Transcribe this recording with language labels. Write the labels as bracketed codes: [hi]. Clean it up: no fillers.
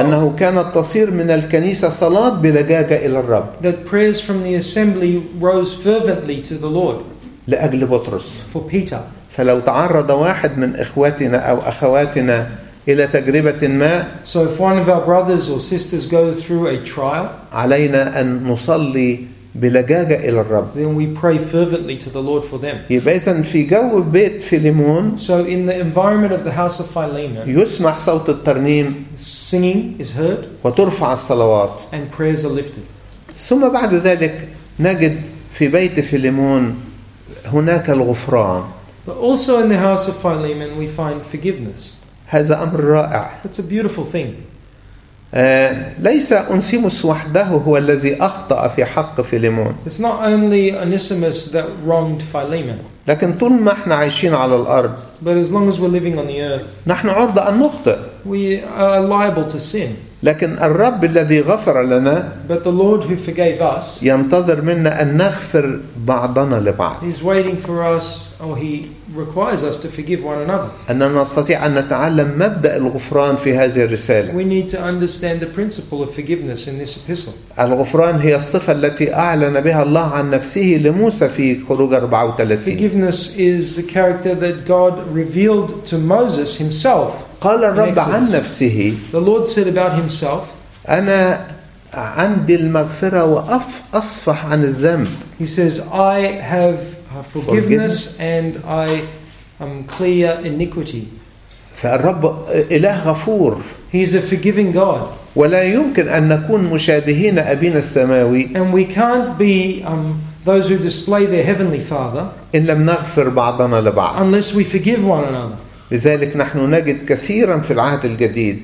[ar] أنه كانت تصير من الكنيسة صلاة بلجاجة إلى الرب. [en] That prayers from the assembly rose fervently to the Lord. [ar] لأجل بطرس. [en] For Peter. [ar] فلو تعرض واحد من إخواتنا أو أخواتنا إلى تجربة ما، [en] so if one of our brothers or sisters go through a trial، [ar] علينا أن نصلي بلجاجة إلى الرب. [en] Then we pray fervently to the Lord for them. [ar] يبقى في جو بيت فيليمون، [en] so in the environment of the house of Philemon، [ar] يسمع صوت الترنيم، [en] singing is heard، [ar] وترفع الصلوات، [en] and prayers are lifted. [ar] ثم بعد ذلك نجد في بيت فيليمون هناك الغفران. [en] But also in the house of Philemon we find forgiveness. [ar] هذا أمر رائع. [en] It's a beautiful thing. [ar] ليس أنسيموس وحده هو الذي أخطأ في حق فيليمون. [en] It's not only Onesimus that wronged Philemon. [ar] لكن طول ما احنا عايشين على الأرض. [en] But as long as we're living on the earth. [ar] نحن عرضة أن نخطئ. [en] We are liable to sin. [ar] لكن الرب الذي غفر لنا [en] But the Lord who forgave us [ar] ينتظر منا أن نغفر بعضنا لبعض. [en] He's waiting for us or he requires us to forgive one another. [ar] أننا نستطيع أن نتعلم مبدأ الغفران في هذه الرسالة. [en] We need to understand the principle of forgiveness in this epistle. [ar] الغفران هي الصفة التي أعلن بها الله عن نفسه لموسى في خروج 34. [en] Forgiveness is the character that God revealed to Moses himself. [ar] قال الرب عن نفسه [en] The Lord said about himself, [ar] أنا عندي المغفرة وأصفح عن الذنب. [en] He says, I have forgiveness and I am clear iniquity. [ar] فالرب إله غفور. [en] He is a forgiving God. [ar] ولا يمكن أن نكون مشابهين أبينا السماوي. [en] And we can't be those who display their heavenly Father. [ar] إن لم نغفر بعضنا لبعض. [en] Unless we forgive one another. [ar] لذلك نحن نجد كثيرا في العهد الجديد